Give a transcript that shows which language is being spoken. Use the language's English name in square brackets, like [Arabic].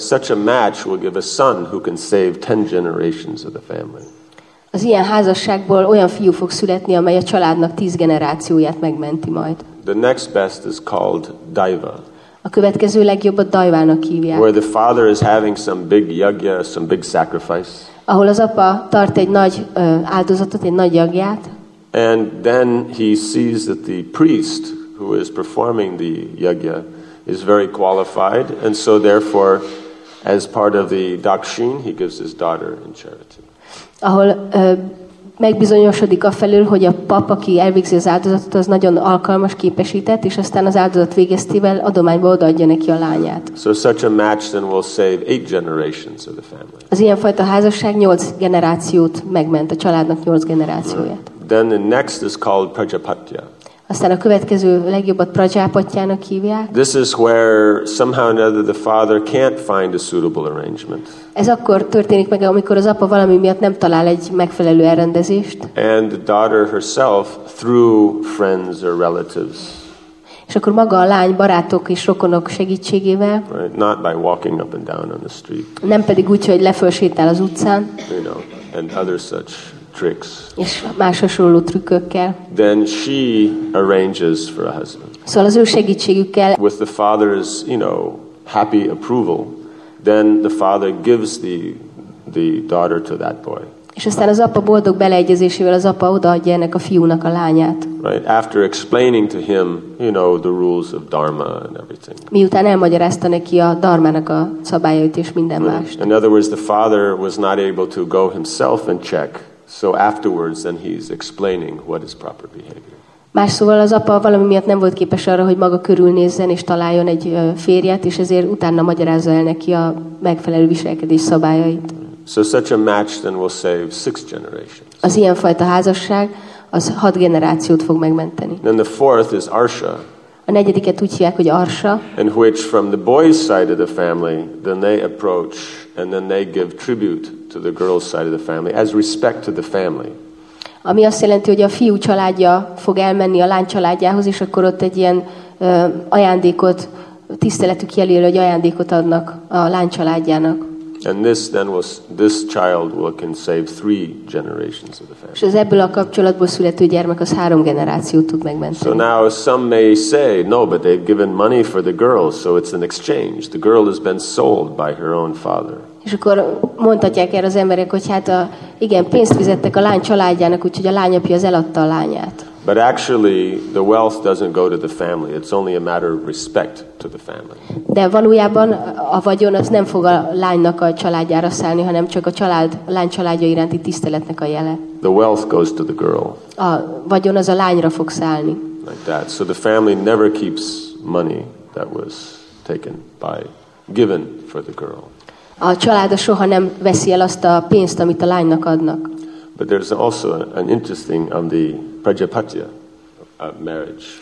[English] Such a match will give a son who can save 10 generations of the family. [Hungarian] Az ilyen házasságból olyan fiú fog születni, amely a családnak 10 generációját megmenti majd. [English] The next best is called Daiva. [Hungarian] A következő legjobb a Daivának hívják. [English] Where the father is having some big yagya, some big sacrifice. [Hungarian] Ahol az apa tart egy nagy áldozatot, egy nagy yagyát. [English] And then he sees that the priest who is performing the yagya is very qualified, and so therefore, as part of the dakshin, he gives his daughter in charity. [Hungarian] Ahol megbizonyosodik a felül, hogy a pap, aki elvégzi az áldozatot, az nagyon alkalmas, képesített, és aztán az áldozat végeztével adományba odaadja neki a lányát. [English] So such a match then will save 8 generations of the family. [Hungarian] Az ilyenfajta házasság 8 generációt megment, a családnak 8 generációját. [English] Then the next is called Prajapatya. [Hungarian] A Aztán a következő legjobbat Prajápatjának hívják. [English] This is where somehow or another the father can't find a suitable arrangement. [Hungarian] Ez akkor történik meg, amikor az apa valami miatt nem talál egy megfelelő elrendezést. [English] And the daughter herself through friends or relatives. [Hungarian] És akkor maga a lány barátok és rokonok segítségével. [English] Right, not by walking up and down on the street. [Hungarian] Nem pedig úgy, hogy lefölsétál az utcán. [English] You know, and other such tricks. [Hungarian] És más hasonló trükkökkel. [English] Then she arranges for a husband. [Hungarian] Szóval az ő segítségükkel. [English] With the father's, you know, happy approval, then the father gives the daughter to that boy. [Hungarian] És aztán az apa boldog beleegyezésével az apa odaadja ennek a fiúnak a lányát. [English] Right, after explaining to him, you know, the rules of dharma and everything. [Hungarian] Miután elmagyarázta neki a dharmának a szabályait és minden mást. [English] In other words, the father was not able to go himself and check. So afterwards, then he's explaining what is proper behavior. [Hungarian] Más szóval az apa valami miatt nem volt képes arra, hogy maga körülnézzen és találjon egy férjet, és ezért utána magyarázza el neki a megfelelő viselkedés szabályait. [English] So such a match then will save 6 generations. [Hungarian] Az ilyenfajta házasság az 6 generációt fog megmenteni. [English] Then the fourth is Arsha. [Hungarian] A negyediket úgy hívják, hogy Arsha. [English] In which from the boy's side of the family, then they approach and then they give tribute to the girl's side of the family as respect to the family. [Hungarian] Ami azt jelenti, hogy a fiú családja fog elmenni a lány családjához, és akkor ott egy ilyen ajándékot, tiszteletük jelül, hogy ajándékot adnak a lány családjának. [English] And this then was this child will can save 3 generations of the family. [Hungarian] És ebből a kapcsolatból születő gyermek az 3 generációt tud megmenteni. [English] So now some may say, no, but they've given money for the girl, so it's an exchange. The girl has been sold by her own father. [Hungarian] És akkor mondhatják erre az emberek, hogy hát a, igen, pénzt fizettek a lány családjának, úgyhogy a lányapja az eladta a lányát. [English] But actually the wealth doesn't go to the family. It's only a matter of respect to the family. [Hungarian] De valójában a vagyon az nem fog a lánynak a családjára szállni, hanem csak a család, a lány családja iránti tiszteletnek a jele. [English] The wealth goes to the girl. [Hungarian] A vagyon az a lányra fog szállni. [English] Like that. So the family never keeps money that was taken by, given for the girl. [Hungarian] A család soha nem veszi el azt a pénzt, amit a lánynak adnak. [English] But there's also an interesting on the Prajapatya marriage.